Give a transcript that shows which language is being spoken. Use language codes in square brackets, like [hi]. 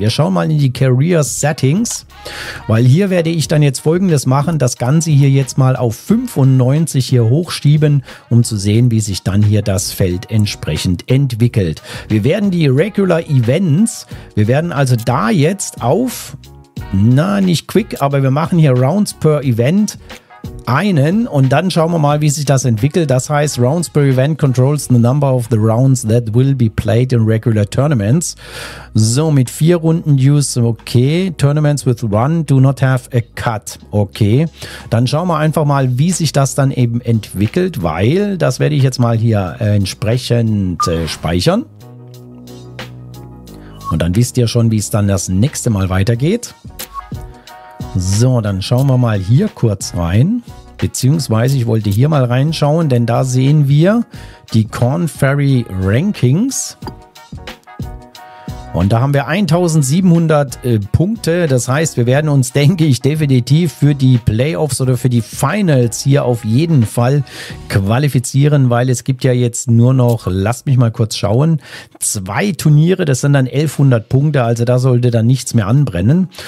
[de] Wir schauen mal in die Career Settings. Weil hier werde ich dann jetzt Folgendes machen, das Ganze hier jetzt mal auf 95 hier hochschieben, um zu sehen, wie sich dann hier das Feld entsprechend entwickelt. Wir werden die Regular Events, wir werden also da jetzt auf, na nicht Quick, aber wir machen hier Rounds per Event einen und dann schauen wir mal, wie sich das entwickelt. Das heißt, [en] Rounds per Event controls the number of the rounds that will be played in regular tournaments. [de] So, mit 4 Runden [en] use, okay. Tournaments with run do not have a cut. Okay. [de] Dann schauen wir einfach mal, wie sich das dann eben entwickelt, weil das werde ich jetzt mal hier entsprechend speichern. Und dann wisst ihr schon, wie es dann das nächste Mal weitergeht. So, dann schauen wir mal hier kurz rein, beziehungsweise ich wollte hier mal reinschauen, denn da sehen wir die Korn Ferry Rankings und da haben wir 1700 Punkte, das heißt, wir werden uns, denke ich, definitiv für die Playoffs oder für die Finals hier auf jeden Fall qualifizieren, weil es gibt ja jetzt nur noch, lasst mich mal kurz schauen, 2 Turniere, das sind dann 1100 Punkte, also da sollte dann nichts mehr anbrennen.